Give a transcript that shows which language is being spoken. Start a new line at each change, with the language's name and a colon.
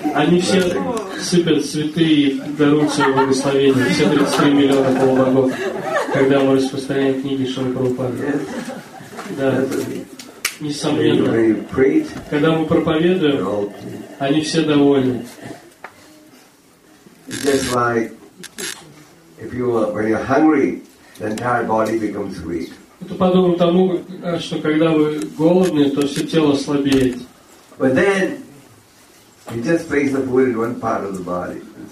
Russian: Они все сыпят цветы и даруют свое благословение. Все 33 миллиона полубогов. Когда мы распространяем книги Шрилы Прабхупады.
English: Yes.
Russian: Да. Несомненно. Когда мы проповедуем, они все довольны.
English: Just like if you are, when you're hungry, the entire body becomes weak.
Russian: Это подобно тому, что когда вы голодны, то все тело слабеет.
English: But then you just face the food in one part of the body.